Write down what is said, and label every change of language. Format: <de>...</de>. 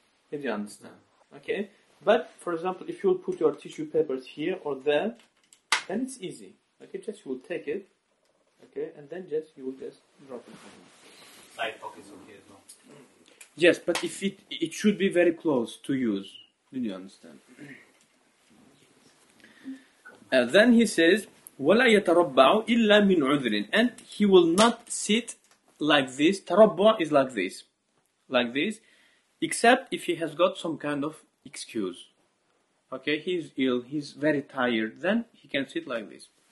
<en>Did you understand? Okay, but for example, if you will put your tissue papers here or there, then it's easy. Okay, just you will take it, okay, and then just you will just drop it. Side pockets on here as well. Yes, but if it should be very close to use. Did you understand? Then he says,</en> <ar>وَلَا يَتَرَبَّعُ إِلَّا مِنْ عُذْرٍ.</ar> <en>And he will not sit like this. تَرَبَّعُ is like this. Like this. Except if he has got some kind of excuse. Okay, he's ill, he's very tired. Then he can sit like this.</en>